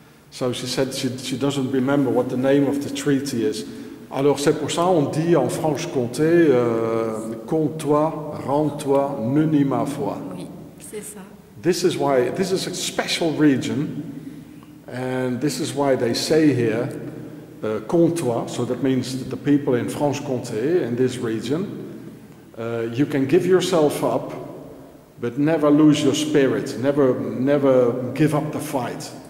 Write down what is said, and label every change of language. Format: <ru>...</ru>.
<en>So she said she doesn't remember what the name of the treaty is.</en> <fr>Alors c'est pour ça qu'on dit en Franche-Comté, compte-toi, rends-toi, ne nie ma foi. Oui, c'est ça.</fr> <en>This is why, this is a special region, and this is why they say here, compte-toi, so that means that the people in Franche-Comté, in this region, you can give yourself up, but never lose your spirit, never give up the fight.</en>